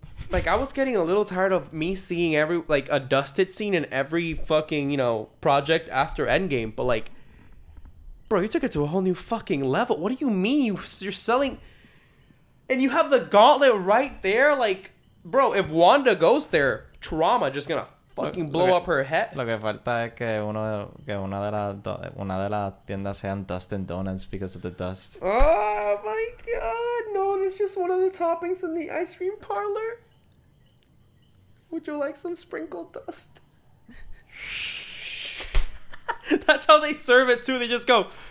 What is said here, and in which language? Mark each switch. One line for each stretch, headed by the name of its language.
English: Like, I was getting a little tired of me seeing every, like, a dusted scene in every fucking, you know, project after Endgame. But, like, bro, you took it to a whole new fucking level. What do you mean? You're selling. And you have the gauntlet right there? Like, bro, if Wanda goes there, trauma just gonna fucking blow up her head.
Spanish: Lo que falta es que una de las tiendas sean Dustin Donuts
English: because of the dust. Oh, my God. No, that's just one of the toppings in the ice cream parlor. Would you like some sprinkled dust? That's how they serve it, too. They just go.